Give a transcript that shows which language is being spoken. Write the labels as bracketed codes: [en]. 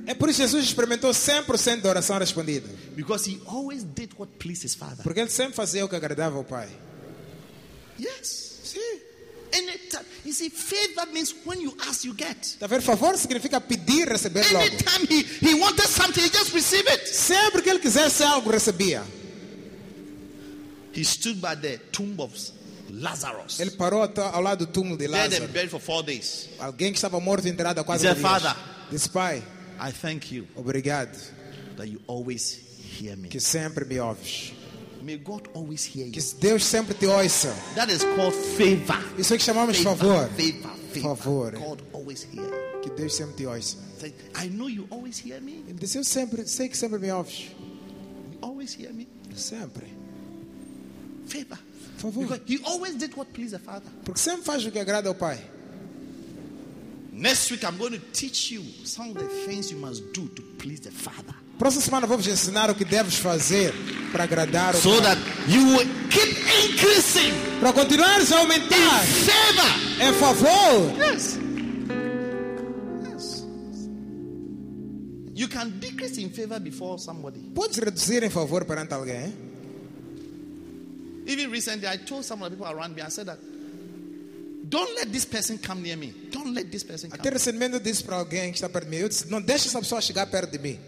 [pt] É por isso Jesus experimentou 100% da oração respondida. [en] Because he always did what pleased his father. [pt] Porque ele sempre fazia o que agradava ao pai. [en] Yes. [pt] Sim. [en] You see, faith, that means when you ask, you get. [pt] Ter favor significa pedir, receber logo. [en] Anytime he wanted something, he just received it. [pt] Sempre que ele quisesse algo, recebia. [en] He stood by the tomb of Lazarus. [pt] Ele parou ao lado do túmulo de Lázaro. [en] Dead and buried for 4 days. [pt] Alguém que estava morto enterrado há quase 4 dias. [en] Father, this [pt] pai, [en] I thank you. [pt] Obrigado. [en] That you always hear me. [pt] Que sempre me ouves. [en] May God always hear you. [pt] Que Deus sempre te ouça. [en] That is called favor. [pt] Isso é que chamamos favor. Favor. Favor. [en] God always hear. [pt] Que Deus sempre te ouça. [en] Say, I know you always hear me. [pt] Eu sempre sei que sempre me ouves. [en] You always hear me. [pt] Sempre. [en] Favor. [pt] Favor. [en] Because he always did what pleased the father. [pt] Porque sempre faz o que agrada ao pai. [en] Next week I'm going to teach you some of the things you must do to please the father. [pt] Próxima semana vou te ensinar o que deves fazer para agradar o [en] so [pt] pai. [en] That you will keep increasing. [pt] Para continuar a aumentar. [en] Favor. [pt] É favor. [en] Yes. Yes. You can decrease in favor before somebody. [pt] Podes reduzir em favor perante alguém. [en] Even recently, I told some of the people around me, I said that, don't let this person come near me. Don't let this person come. [pt] Até recentemente eu disse para alguém que está perto de mim, eu disse, não deixe essa pessoa chegar perto de mim.